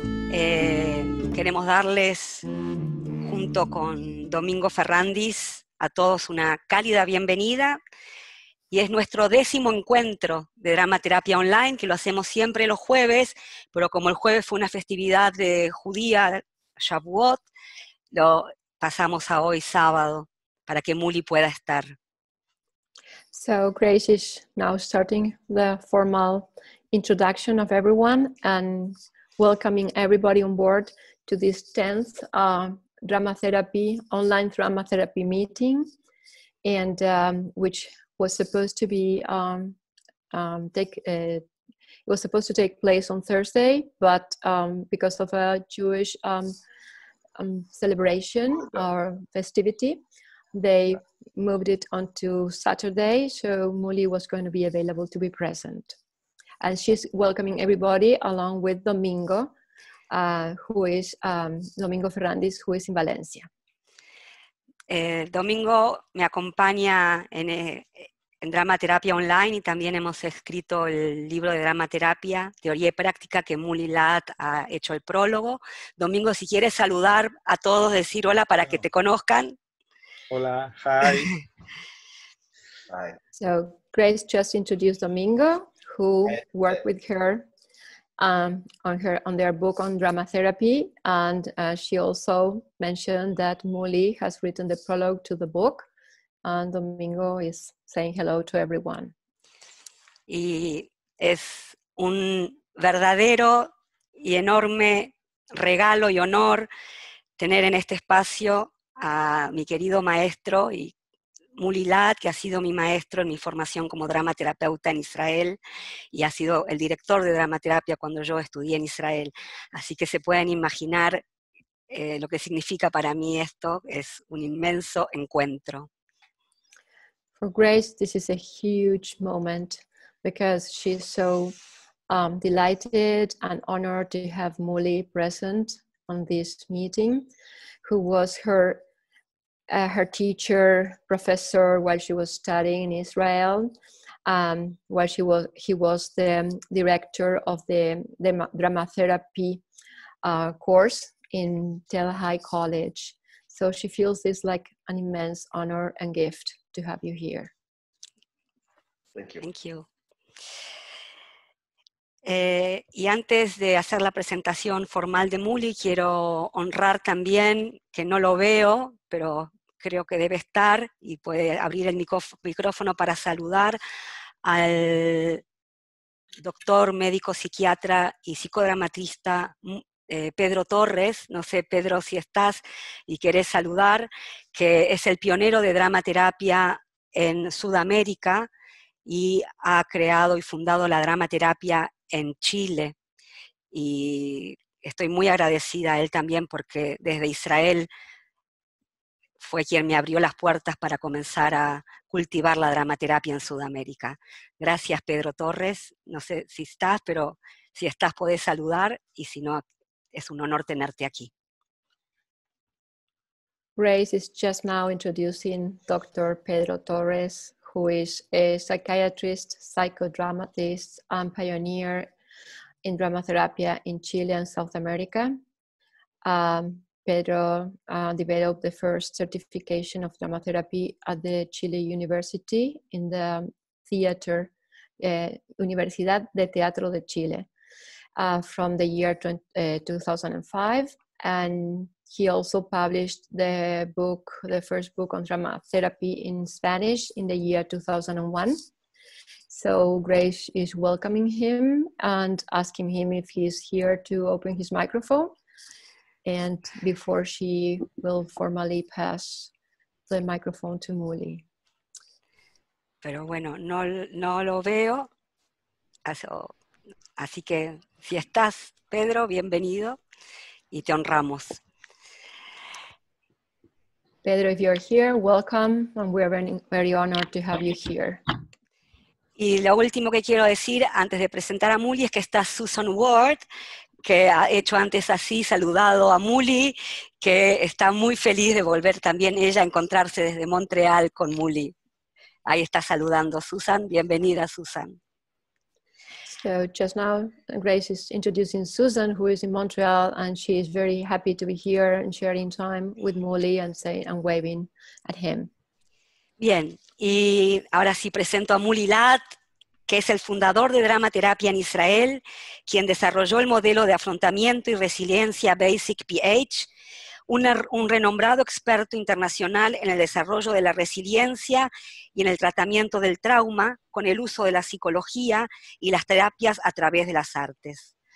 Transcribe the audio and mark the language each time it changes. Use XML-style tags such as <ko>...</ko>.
<es>Queremos darles, junto con Domingo Ferrandis, a todos una cálida bienvenida. Y es nuestro 10º encuentro de Dramaterapia Online, que lo hacemos siempre los jueves, pero como el jueves fue una festividad de judía, Shavuot, lo pasamos a hoy sábado, para que Muli pueda estar.</es> <en>So, Grace is now starting the formal introduction of everyone and welcoming everybody on board to this 10th Dramatherapy, online Dramatherapy meeting, and which was supposed to be it was supposed to take place on Thursday, but because of a Jewish celebration or festivity, they moved it onto Saturday, so Muli was going to be available to be present. And she's welcoming everybody along with Domingo, who is Domingo Ferrandis, who is in Valencia.</en> <es>Domingo me acompaña en Dramaterapia Online, y también hemos escrito el libro de Dramaterapia, Teoría y Práctica, que Muli Lat ha hecho el prólogo. Domingo, si quieres saludar a todos, decir hola para que te conozcan. Hola,</es> <en>hi. So, Grace just introduced Domingo, who worked with her on their book on drama therapy, and she also mentioned that Muli has written the prologue to the book, and Domingo is saying hello to everyone.</en> <es>Y es un verdadero y enorme regalo y honor tener en este espacio a mi querido maestro y Muli Lat, que ha sido mi maestro en mi formación como dramaterapeuta en Israel y ha sido el director de dramaterapia cuando yo estudié en Israel. Así que se pueden imaginar lo que significa para mí esto. Es un inmenso encuentro.</es> <en>For Grace, this is a huge moment because she's so delighted and honored to have Muli present on this meeting, who was her teacher, professor, while she was studying in Israel, while he was the director of the drama therapy course in Tel Hai College. So she feels this like an immense honor and gift to have you here. Thank you.</en> <es>Y antes de hacer la presentación formal de Muli, quiero honrar también, que no lo veo, pero creo que debe estar y puede abrir el micrófono para saludar al doctor médico psiquiatra y psicodramatista Pedro Torres. No sé, Pedro, si estás y querés saludar, que es el pionero de dramaterapia en Sudamérica y ha creado y fundado la dramaterapia en Chile. Y estoy muy agradecida a él también porque desde Israel fue quien me abrió las puertas para comenzar a cultivar la dramaterapia en Sudamérica. Gracias, Pedro Torres. No sé si estás, pero si estás podés saludar, y si no, es un honor tenerte aquí.</es> <en>Grace is just now introducing Dr. Pedro Torres, who is a psychiatrist, psychodramatist, and pioneer in dramatherapia in Chile and South America. Pedro developed the first certification of dramatherapy at the Chile University in the theater, Universidad de Teatro de Chile, from the year 2005. And he also published the first book on dramatherapy in Spanish in the year 2001. So Grace is welcoming him and asking him if he's here to open his microphone. And before she will formally pass the microphone to Muli.</en> <es>Pero bueno, no lo veo. Así que si estás, Pedro, bienvenido y te honramos.</es> <en>Pedro, if you're here, welcome, and we're very, very honored to have you here.</en> <es>Y lo último que quiero decir antes de presentar a Muli es que está Susan Ward, que ha hecho antes así, saludado a Muli, que está muy feliz de volver también ella a encontrarse desde Montreal con Muli. Ahí está saludando Susan, bienvenida Susan.</es> <en>So just now, Grace is introducing Susan, who is in Montreal, and she is very happy to be here and sharing time with Molly and saying and waving at him.</en> <es>Bien, y ahora sí presento a Molly Ladd, que es el fundador de Dramaterapia en Israel, quien desarrolló el modelo de afrontamiento y resiliencia Basic PH, un renombrado experto internacional en el desarrollo de la resiliencia y en el tratamiento del trauma con el uso de la psicología y las terapias a través de las artes.</es>